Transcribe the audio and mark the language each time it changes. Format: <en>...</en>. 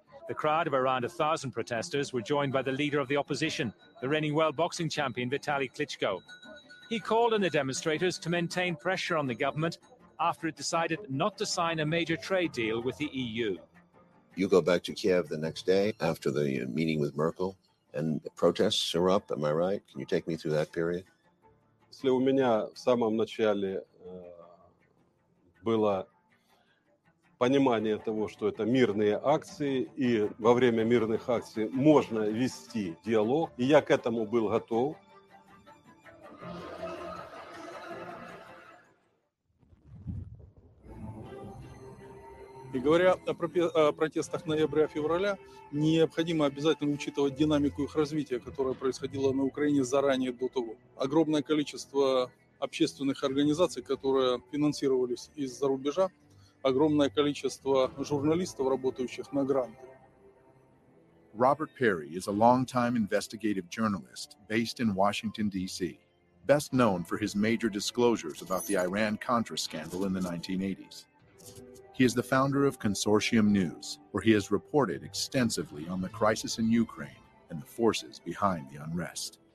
<en>The crowd of around 1,000 protesters were joined by the leader of the opposition, the reigning world boxing champion Vitaly Klitschko. He called on the demonstrators to maintain pressure on the government after it decided not to sign a major trade deal with the EU. You go back to Kiev the next day after the meeting with Merkel and the protests are up, am I right? Can you take me through that period?</en> <ru>Если у меня в самом начале было понимание того, что это мирные акции, и во время мирных акций можно вести диалог. И я к этому был готов. И говоря о протестах ноября-февраля, необходимо обязательно учитывать динамику их развития, которая происходила на Украине заранее до того. Огромное количество общественных организаций, которые финансировались из-за рубежа, огромное количество журналистов, работающих на гранты.</ru> <en>Robert Perry is a long-time investigative journalist based in Washington, D.C., best known for his major disclosures about the Iran-Contra scandal in the 1980s. He is the founder of Consortium News, where he has reported extensively on the crisis in Ukraine and the forces behind the unrest.</en>